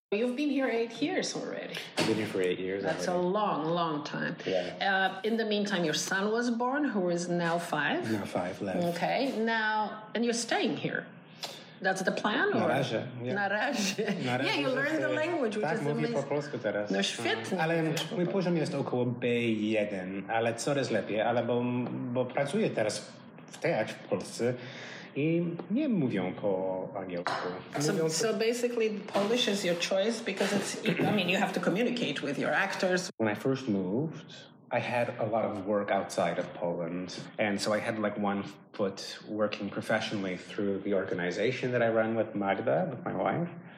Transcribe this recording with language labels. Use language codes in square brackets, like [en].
[en] You've been here 8 years already. I've been here for 8 years. That's already a long, long time. Yeah. In the meantime, your son was born, who is now five. Now five, left. Okay. Now, and you're staying here. That's the plan? [pl] Narazie. [en] Yeah, you learned the language, which is amazing. [pl] Tak, mówię po polsku teraz. No świetnie. Ale mój poziom jest około B1, ale coraz lepiej, ale bo pracuję teraz w teatrze w Polsce. I nie mówią po angielsku. [en] So basically, Polish is your choice because it's, I mean, you have to communicate with your actors. When I first moved, I had a lot of work outside of Poland. And so I had like one foot working professionally through the organization that I run with Magda, with my wife.